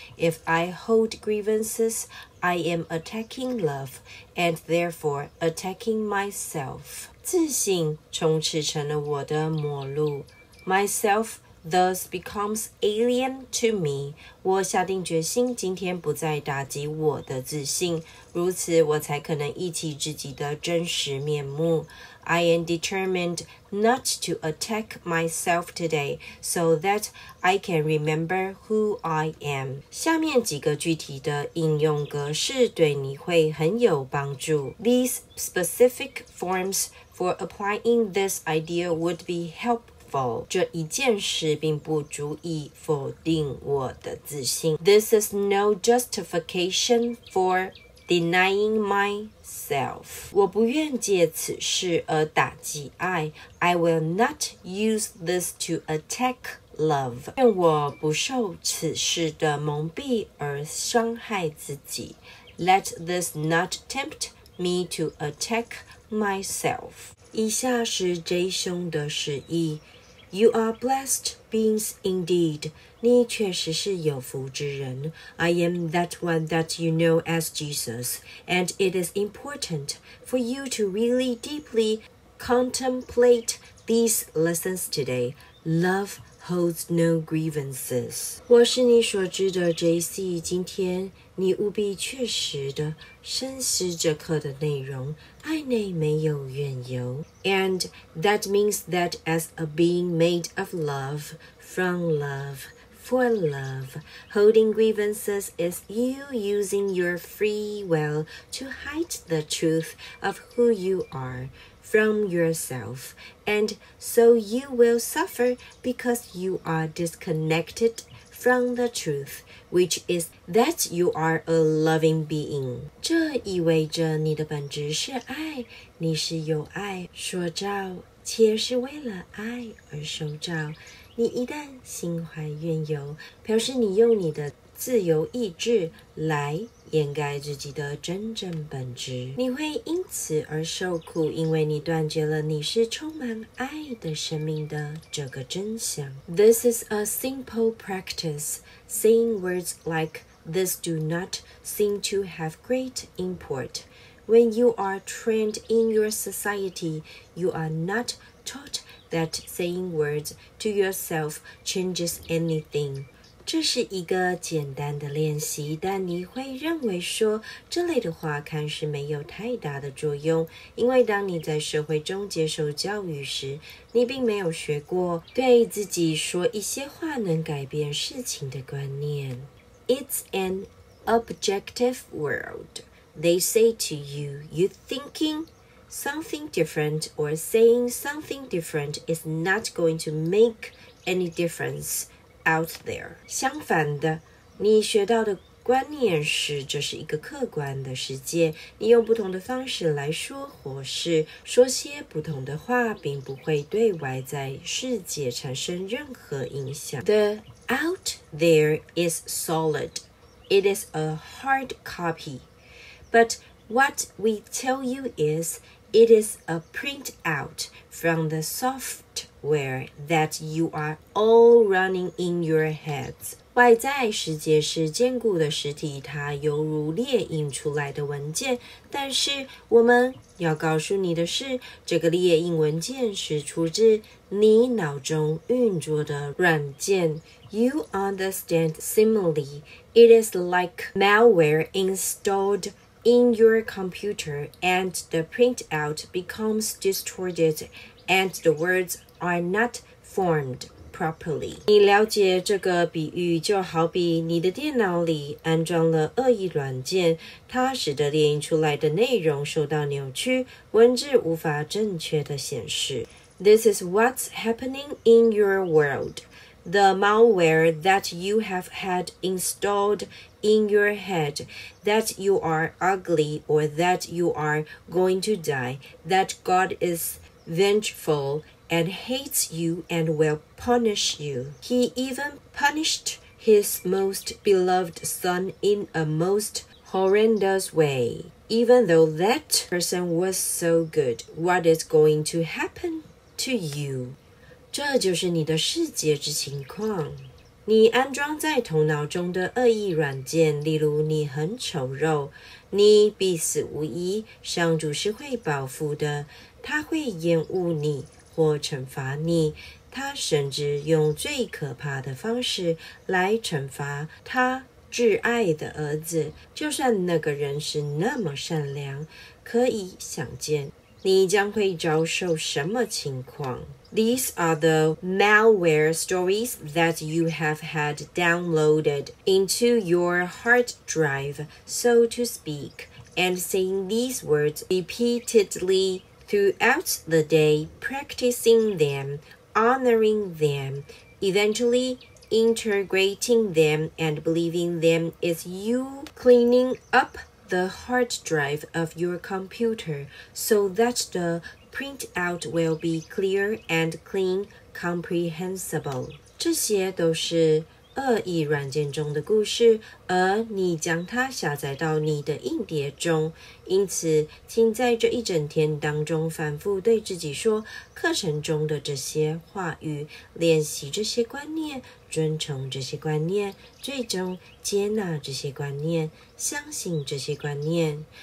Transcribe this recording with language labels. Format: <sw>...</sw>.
<en>If I hold grievances, I am attacking love, and therefore attacking myself。</en> <zh>自信充斥成了我的末路。</zh> <en>Myself thus becomes alien to me。</en> <zh>我下定决心今天不再打击我的自信，如此我才可能忆起自己的真实面目。</zh> <en>I am determined not to attack myself today so that I can remember who I am。</en> <zh>下面几个具体的应用格式对你会很有帮助。</zh> <en>These specific forms for applying this idea would be helpful。</en> <zh>这一件事并不足以否定我的自信。</zh> <en>This is no justification for denying myself。</en> <zh>我不愿借此事而打击爱。</zh> <en>I will not use this to attack love。</en> <zh>愿我不受此事的蒙蔽而伤害自己。</zh> <en>Let this not tempt me to attack myself。</en> <zh>以下是 J 兄的示意。</zh> <en>You are blessed beings indeed。</en> <zh>你确实是有福之人。</zh> <en>I am that one that you know as Jesus, and it is important for you to really deeply contemplate these lessons today. Love holds no grievances.</en> <zh>我是你所知的 JC， 今天你务必确实的深思这课的内容，爱内没有怨尤。</zh> <en>And that means that as a being made of love, from love,For love, holding grievances is you using your free will to hide the truth of who you are from yourself. And so you will suffer because you are disconnected from the truth, which is that you are a loving being.</en> <zh>这意味着你的本质是爱，你是由爱所照，且是为了爱而受照。你一旦心怀怨尤，表示你用你的自由意志来掩盖自己的真正本质。你会因此而受苦，因为你断绝了你是充满爱的生命的这个真相。</zh> <en>This is a simple practice. Saying words like this do not seem to have great import. When you are trained in your society, you are not taughtThat saying words to yourself changes anything.</en> <zh>这是一个简单的练习，但你会认为说这类的话看似没有太大的作用，因为当你在社会中接受教育时，你并没有学过对自己说一些话能改变事情的观念。</zh> <en>It's an objective world. They say to you, you thinking? Something different or saying something different is not going to make any difference out there.</en> <zh>相反的，你学到的观念是这是一个客观的世界，你用不同的方式来说或是说些不同的话并不会对外在世界产生任何影响。</zh> <en>The out there is solid. It is a hard copy. But what we tell you isIt is a printout from the software that you are all running in your heads.</en> <zh>外在世界是坚固的实体，它犹如列印出来的文件。但是我们要告诉你的是，这个列印文件是出自你脑中运作的软件。</zh> <en>You understand similarly. It is like malware installed. In your computer, and the printout becomes distorted, and the words are not formed properly.</en> <zh>你了解这个比喻，就好比你的电脑里安装了恶意软件，它使得列印出来的内容受到扭曲，文字无法正确的显示。</zh> <en>This is what's happening in your world. The malware that you have had installedIn your head, that you are ugly, or that you are going to die, that God is vengeful and hates you and will punish you. He even punished his most beloved son in a most horrendous way. Even though that person was so good, what is going to happen to you?</en> <zh>这就是你的世界之情况。你安装在头脑中的恶意软件，例如你很丑陋，你必死无疑，上主是会报复的，他会厌恶你或惩罚你，他甚至用最可怕的方式来惩罚他挚爱的儿子，就算那个人是那么善良，可以想见你将会遭受什么情况。</zh> <en>These are the malware stories that you have had downloaded into your hard drive, so to speak, and saying these words repeatedly throughout the day, practicing them, honoring them, eventually integrating them and believing them is you cleaning up the hard drive of your computer so that theprintout will be clear and clean, comprehensible.</en> <zh>这些都是恶意软件中的故事，而你将它下载到你的硬碟中。因此，请在这一整天当中反复对自己说课程中的这些话语，练习这些观念，遵从这些观念，最终接纳这些观念，相信这些观念。</zh>